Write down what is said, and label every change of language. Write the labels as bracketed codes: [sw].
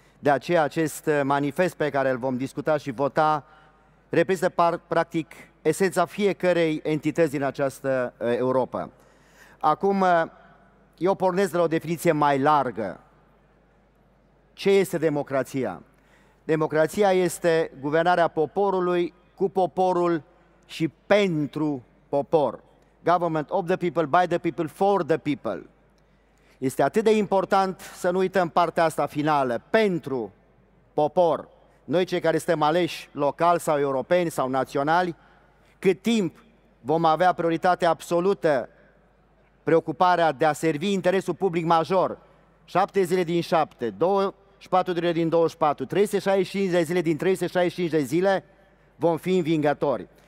[ro] De aceea, acest manifest pe care îl vom discuta și vota reprezintă, practic, esența fiecărei entități din această Europa. Acum, eu pornesc de la o definiție mai largă Ce este democrația? Democrația este guvernarea poporului cu poporul și pentru popor. [en] Government of the people, by the people, for the people. [ro] Este atât de important să nu uităm partea asta finală, pentru popor. Noi cei care suntem aleși local sau europeni sau naționali, cât timp vom avea prioritate absolută preocuparea de a servi interesul public major, 7 zile din 7, 24 zile din 24, 365 de zile din 365 de zile, vom fi învingători.